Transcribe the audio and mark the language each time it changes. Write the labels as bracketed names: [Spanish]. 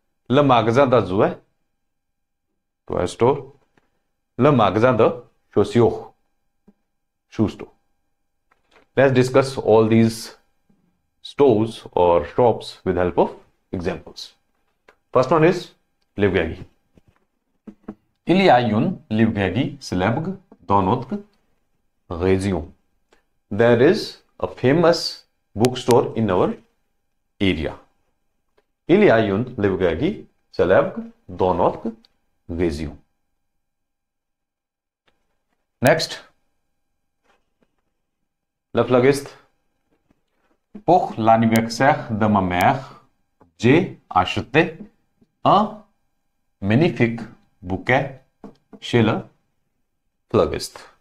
[French] Le magasin de jouets, [English] toy store. [French] Le magasin de chaussures, [English] shoe store. Let's discuss all these stores or shops with the help of examples. First one is Librairie. [French] Il y a une librairie célèbre dans notre région. [English] There is a famous bookstore in our area. [French] Il y a une librairie célèbre dans notre région. [English] Next, le fleuriste. [French] Pour l'anniversaire de ma mère, j'ai acheté un magnifique bouquet chez le fleuriste.